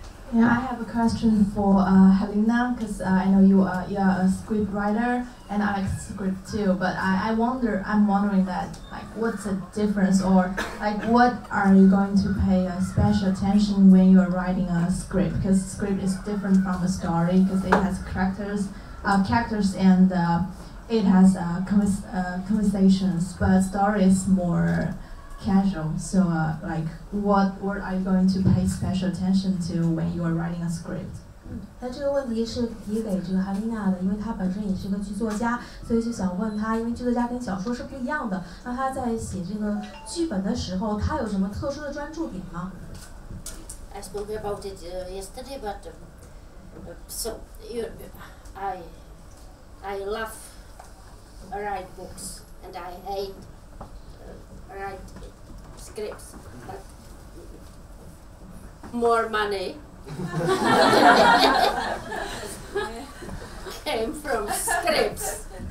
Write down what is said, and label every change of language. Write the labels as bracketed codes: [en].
[en] Yeah, I have a question for Halina, because I know you are a scriptwriter, and I like script too, but I'm wondering that, like, what's the difference, or like, what are you going to pay special attention when you're writing a script, because script is different from a story, because it has characters and it has conversations, but story is more casual, so what are you going to pay special attention to when you are writing a script? [zh] 那这个问题是提给这个哈丽娜的，因为她本身也是个剧作家，所以就想问她，因为剧作家跟小说是不一样的，那她在写这个剧本的时候，她有什么特殊的专注点吗？ [en] I spoke about it yesterday, but so you, I I love write books and I hate write scripts, but more money came from scripts.